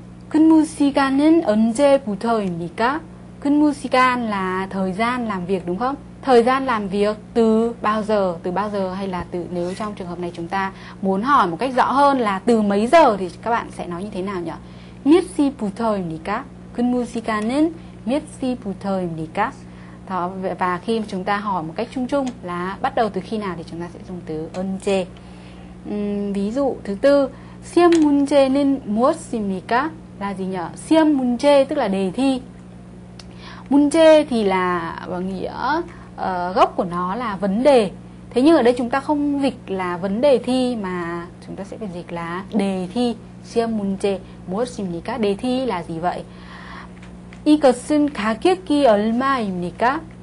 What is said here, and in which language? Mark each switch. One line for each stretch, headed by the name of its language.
Korean: 근무 시간은 언제부터입니까? 근무 시간
Vietnamese: là thời gian làm việc đúng không? Thời gian làm việc từ bao giờ, từ bao giờ, hay là từ, nếu trong trường hợp này chúng ta muốn hỏi một cách rõ hơn là từ mấy giờ thì các bạn sẽ nói như thế nào nhỉ?
Korean: 몇 시부터입니까? 근무 시간은 몇 시부터입니까?
Vietnamese: Đó, và khi mà chúng ta hỏi một cách chung chung là bắt đầu từ khi nào thì chúng ta sẽ dùng từ 언제. Ví dụ thứ tư,
Korean: 시험 문제는 무엇입니까?
Vietnamese: Là gì nhỉ? 시험 문제 tức là đề thi. 문제 thì là nghĩa gốc của nó là vấn đề. Thế nhưng ở đây chúng ta không dịch là vấn đề thi mà chúng ta sẽ phải dịch là đề thi.
Korean: 시험 문제 무엇입니까?
Vietnamese: Đề thi là gì vậy?
Korean: 이것은 가격이 얼마입니까?